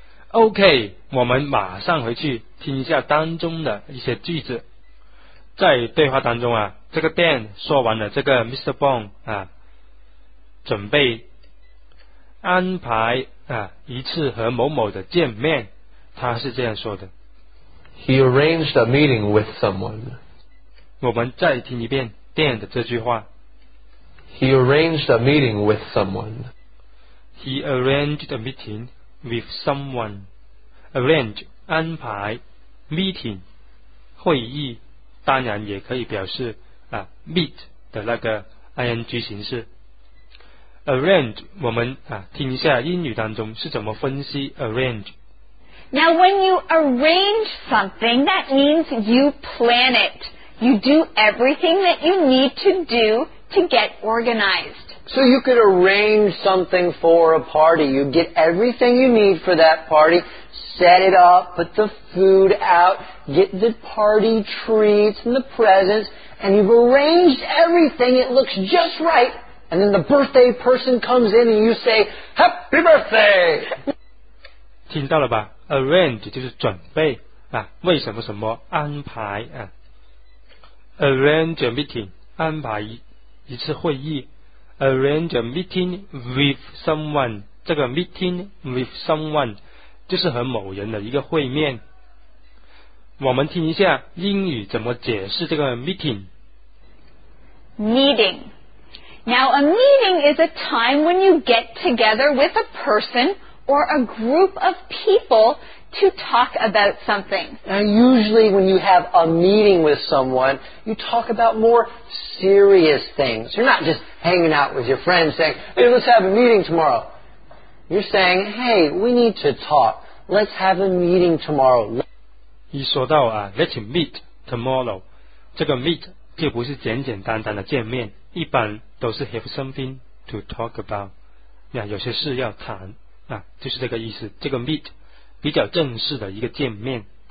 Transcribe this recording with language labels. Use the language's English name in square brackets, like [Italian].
[Chinese] OK， 我们马上回去听一下当中的一些句子。在对话当中啊，这个 Dan 说完了这个 Mr. Bond 啊，准备安排啊一次和某某的见面，他是这样说的。 [English] He arranged a meeting with someone. [Chinese] 我们再听一遍 Dan 的这句话。 [English] He arranged a meeting with someone. He arranged a meeting with someone. [Chinese] Arrange 安排 ，meeting 会议，当然也可以表示啊 meet 的那个 ing 形式。 Arrange 我们啊听一下英语当中是怎么分析 arrange。 [English] Now when you arrange something, that means you plan it. You do everything that you need to do. To get organized. So you could arrange something for a party. You get everything you need for that party, set it up, put the food out, get the party treats and the presents, and you've arranged everything. It looks just right. And then the birthday person comes in and you say, Happy birthday! [Chinese] 听到了吧? Arrange 就是准备、啊、为什么什么安排、啊、 [English] Arrange a meeting, [Chinese] 安排一次会议 [English] arrange a meeting with someone [Chinese] 这个 [English] meeting with someone [Chinese] 就是和某人的一个会面我们听一下英语怎么解释这个 meeting [English] meeting now a meeting is a time when you get together with a person or a group of people to talk about something and usually when you have a meeting with someone you talk about moreserious things. You're not just hanging out with your friends saying, hey, let's have a meeting tomorrow. You're saying, hey, we need to talk. Let's have a meeting tomorrow. [Chinese] 一说到、啊、 [English] let's meet tomorrow, [Chinese] 这个 meet 就不是简简单单的见面一般都是 [English] have something to talk about. [Chinese] 那有些事要谈、啊、就是这个意思。这个 meet 比较正式的一个见面。